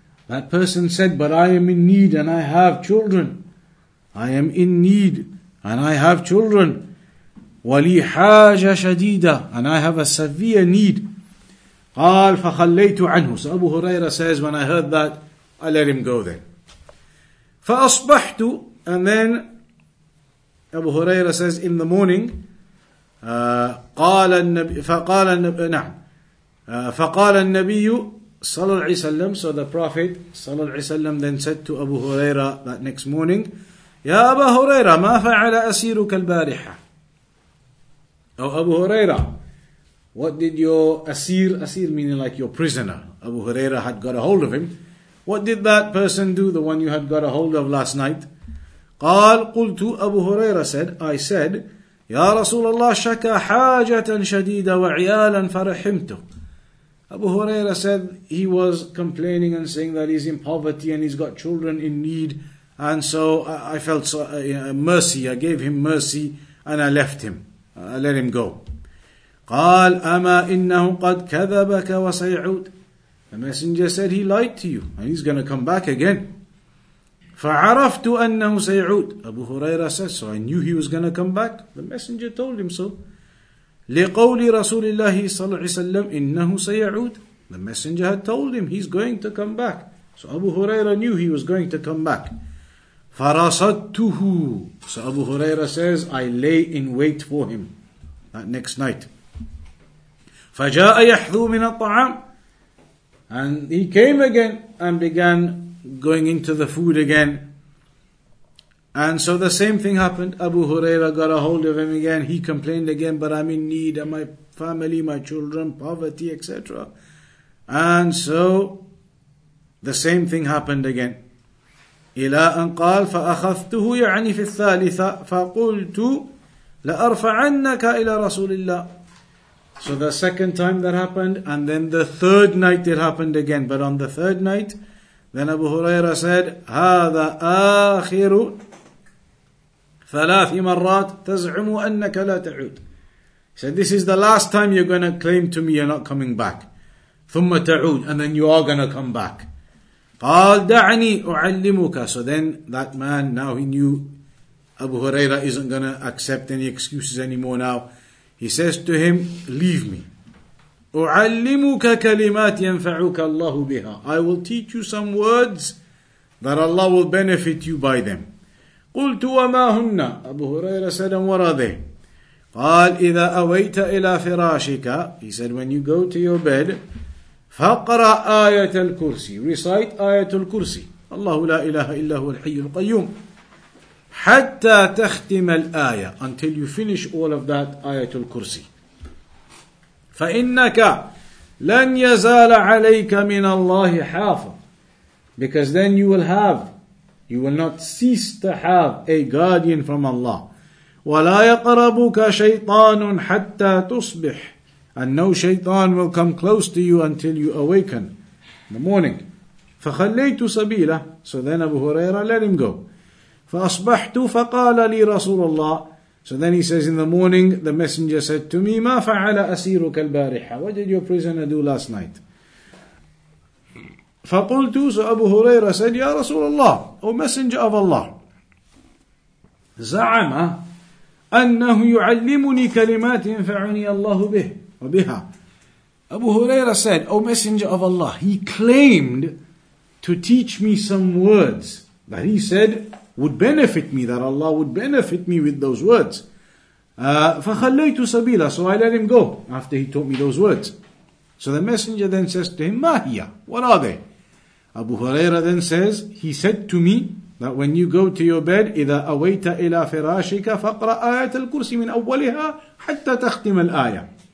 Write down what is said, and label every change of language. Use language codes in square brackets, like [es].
[en] That person said, but I am in need and I have children. I am in need and I have children. [ar] ولي حاجة شديدة, [en] and I have a severe need. [ar] قال فخليت عنه. [en] So Abu Huraira says, when I heard that, I let him go then. [ar] فأصبحت. [en] And then Abu Huraira says, in the morning, [ar] قال النبي فقال النبي نعم فقال النبي صلى الله عليه وسلم. [en] So the Prophet [ar] صلى الله عليه وسلم [en] then said to Abu Huraira that next morning, [ar] يا أبا هريرة ما فعل أسيرك البارحة. [en] Oh, Abu Huraira, what did your asir, asir meaning like your prisoner, Abu Huraira had got a hold of him, what did that person do, the one you had got a hold of last night? [ar] قال قلت. [en] Abu Huraira said, I said, [ar] يا رسول الله شكا حاجة شديدة وعيالا فرحمته. [en] Abu Huraira said, he was complaining and saying that he's in poverty and he's got children in need, and so I felt so, mercy, I gave him mercy and I left him. I let him go. [ar] قال أما إنه قد كذبك وسيعود. [en] The messenger said, he lied to you and he's going to come back again. [ar] فعرفت أنه سيعود. [en] Abu Huraira said, so I knew he was going to come back. The messenger told him so. [ar] لقول رسول الله صلى الله عليه وسلم إنه سيعود. [en] The messenger had told him he's going to come back. So Abu Huraira knew he was going to come back. [ar] فَرَصَدْتُهُ [en] So Abu Huraira says, I lay in wait for him that next night. [ar] فَجَاءَ يَحْذُو مِنَ الطَّعَامِ [en] And he came again and began going into the food again. And so the same thing happened. Abu Huraira got a hold of him again. He complained again, but I'm in need and my family, my children, poverty, etc. And so the same thing happened again. [ar] إلى أن قال فأخذته يعني في الثالثة فقلت لأرفعنك إلى رسول الله. [en] So the second time that happened, and then the third night it happened again. But on the third night, then Abu Huraira said, [ar] هذا آخر ثلاث مرات تزعم أنك لا تعود. [en] He said, this is the last time you're going to claim to me you're not coming back. [ar] ثم تعود, [en] and then you are going to come back. [ar] قال دعني أعلمك. [en] So then that man, now he knew Abu Huraira isn't going to accept any excuses anymore now. He says to him, leave me. [ar] أعلمك كلمات ينفعك الله بها. [en] I will teach you some words that Allah will benefit you by them. [ar] قلت وما هن. [en] Abu Huraira said, and what are they? [ar] قال إذا أويت إلى فراشك. [en] He said, when you go to your bed, [ar] فقرأ آية الكرسي. [en] Recite آية الكرسي. [ar] الله لا إله إلا هو الحي القيوم. حتى تختم الآية. [en] Until you finish all of that آية الكرسي. [ar] فإنك لن يزال عليك من الله حافظ. [en] Because then you will not cease to have a guardian from Allah. [ar] ولا يقربك شيطان حتى تصبح. [en] And no shaitan will come close to you until you awaken in the morning. [ar] فخليت سبيله. [en] So then Abu Huraira let him go. [ar] فأصبحت فقال لي رسول الله. [en] So then he says, in the morning the messenger said to me, [ar] ما فعل أسيرك البارحة. [en] What did your prisoner do last night? [ar] فقلت. [en] So Abu Huraira said, [ar] يا رسول الله, [en] O messenger of Allah, [ar] زعم أنه يعلمني كلمات ينفعني الله به. وبها. [en] Abu Huraira said, O Messenger of Allah, he claimed to teach me some words that he said would benefit me, that Allah would benefit me with those words. [ar] فخليت سبيلا. [en] So I let him go after he taught me those words. So the Messenger then says to him, [ar] ما هي? [en] What are they? Abu Huraira then says, he said to me that when you go to your bed, [ar] إذا أويت إلى فراشك فقرأ آية الكرسي من أولها حتى تختم الآية.